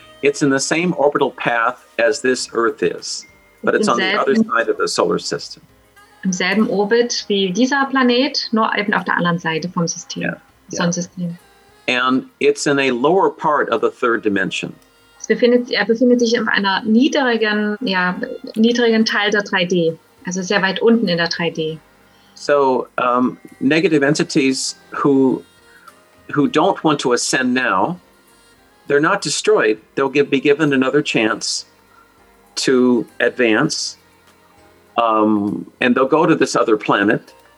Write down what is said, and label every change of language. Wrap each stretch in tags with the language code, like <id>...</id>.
<en>It's in the same orbital path as this Earth is, but it's on the other side of the solar system.</en> <de>Im selben Orbit wie dieser Planet, nur eben auf der anderen Seite vom System, Sonnensystem.</de> <en>And it's in a lower part of the third dimension.</en> <de>Er befindet sich in einer niedrigen Teil der 3D, also sehr weit unten in der 3D.</de> <en>So, negative entities who don't want to ascend now, they're not destroyed. They'll be given another chance to advance, and they'll go to this other planet.</en>